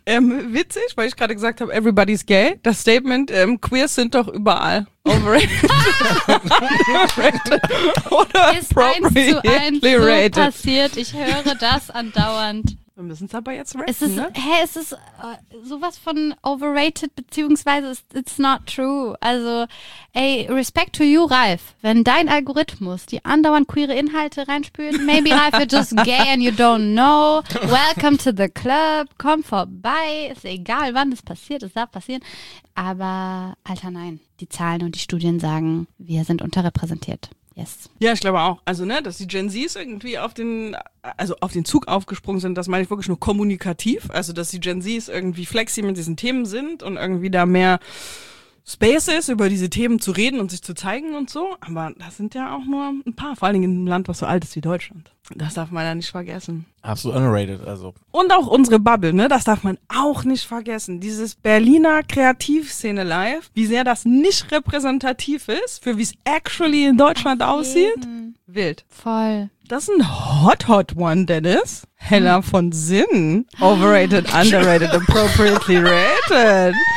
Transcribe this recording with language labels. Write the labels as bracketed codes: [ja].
[de] Witzig, weil ich gerade gesagt habe, [en] everybody's gay. [de] Das Statement, queers sind doch überall. [en] Overrated. Appropriately rated. [de] Ist eins zu eins so passiert. Ich höre das andauernd. Wir müssen es aber jetzt rappen, es ist, ne? Hä, es ist sowas von overrated, beziehungsweise [en] it's not true. Also, ey, respect to you, Ralf. [de] Wenn dein Algorithmus die andauernd queere Inhalte reinspült, [en] maybe Ralf, you're just gay and you don't know. [de] Welcome to the club. Komm vorbei. Ist egal, wann das passiert. Es darf passieren. Aber, Alter, nein. Die Zahlen und die Studien sagen, wir sind unterrepräsentiert. [en] Yes. [de] Ja, ich glaube auch. Also, ne, dass die Gen Zs irgendwie auf den Zug aufgesprungen sind, das meine ich wirklich nur kommunikativ. Also, dass die Gen Zs irgendwie flexi mit diesen Themen sind und irgendwie da mehr Space ist, über diese Themen zu reden und sich zu zeigen und so. Aber das sind ja auch nur ein paar, vor allen Dingen in einem Land, was so alt ist wie Deutschland. Das darf man ja nicht vergessen. Absolut underrated, also. Und auch unsere Bubble, ne? Das darf man auch nicht vergessen. Dieses Berliner Kreativszene Live, wie sehr das nicht repräsentativ ist, für wie es actually in Deutschland aussieht. [en] Wild. [de] Voll. Das ist ein [en] hot, hot one, [de] Dennis. Hella von Sinn. [en] Overrated, underrated, appropriately rated.